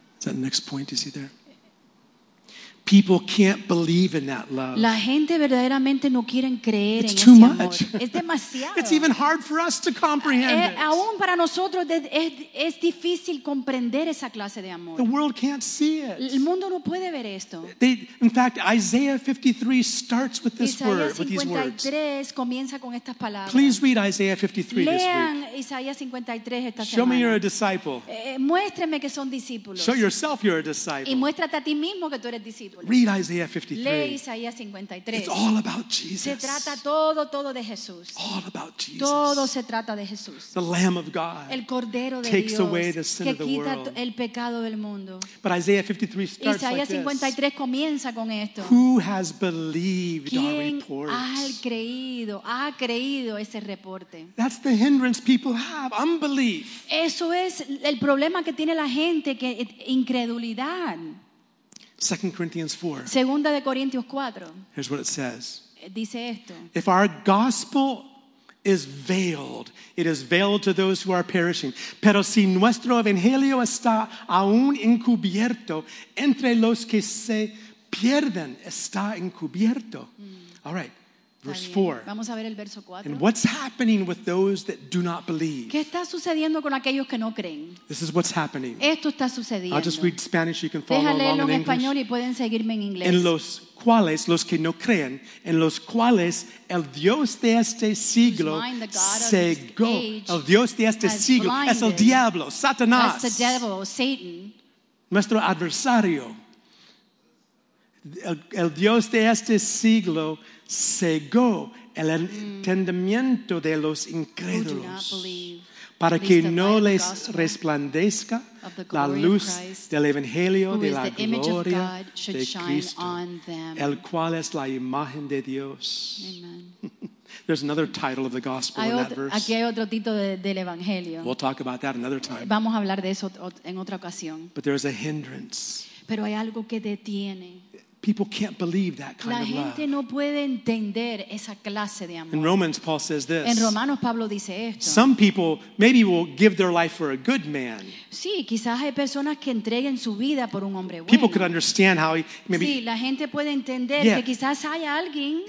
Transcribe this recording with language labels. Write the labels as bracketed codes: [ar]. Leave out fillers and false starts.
[en] Is that the next point you see there? People can't believe in that love. [es] La gente verdaderamente no quieren creer [en] it's [es] en [en] too [es] ese [en] much. [es] Amor. Es demasiado. [en] It's even hard for us to comprehend it. [es] Aún para nosotros es difícil comprender esa clase de amor. [en] The world can't see it. [es] El mundo no puede ver esto. [en] In fact, Isaiah 53 starts with this word, with these words. [es] Isaías 53 comienza con estas palabras. [en] Please read Isaiah 53 this week. [es] Lean Isaías 53 esta semana. [en] Show me you're a disciple. [es] Muéstrame que son discípulos. [en] Show yourself you're a disciple. [es] Y muéstrate a ti mismo que tú eres discípulo. [en] Read Isaiah 53. [es] Lee Isaías 53. [en] It's all about Jesus. [es] Se trata todo de Jesús. [en] All about Jesus. [es] Todo se trata de Jesús. [en] The Lamb of God. [es] El Cordero de Dios. [en] Takes away the sin [es] que [en] of the [es] quita [en] world. [es] El pecado del mundo. [en] But Isaiah 53 starts [es] Isaías [en] like this. [es] Isaías 53 comienza con esto. [en] Who has believed our report? [es] Ha creído ese reporte. [en] That's the hindrance people have. Unbelief. [es] Eso es el problema que tiene la gente, que incredulidad. [en] 2 Corinthians 4. [es] Segunda de Corintios 4. [en] Here's what it says. [es] Dice esto. [en] If our gospel is veiled, it is veiled to those who are perishing. [es] Pero si nuestro evangelio está aún encubierto, entre los que se pierden está encubierto. [en] All right. Verse 4. [es] Vamos a ver el verso 4. [en] And what's happening with those that do not believe? [es] ¿Qué está sucediendo con aquellos que no creen? [en] This is what's happening. [es] Esto está sucediendo. [en] I'll just read Spanish, you can follow [es] Déjale [en] along [es] en español y pueden seguirme en inglés. En los cuales, los que no creen, en los cuales el Dios de este siglo cegó. El Dios de este siglo [en] blinded, [es] es el diablo, Satanás. [en] The devil, Satan. [es] Nuestro adversario. El Dios de este siglo cegó el entendimiento de los incrédulos para que no les resplandezca la luz del Evangelio de la gloria de Cristo, el cual es la imagen de Dios. [en] There's another title of the gospel in that verse. [es] Aquí hay otro título del Evangelio. [en] We'll talk about that another time. [es] Vamos a hablar de eso en otra ocasión. [en] But there is a hindrance. [es] Pero hay algo que detiene. [en] People can't believe that kind of love. [es] La gente no puede entender esa clase de amor. [en] In Romans, Paul says this. [es] En Romanos, Pablo dice esto. [en] Some people maybe will give their life for a good man. [es] Sí, quizás hay personas que entreguen su vida por un hombre bueno. [en] People could understand how he, maybe. [es] Sí, la gente puede entender que quizás haya alguien.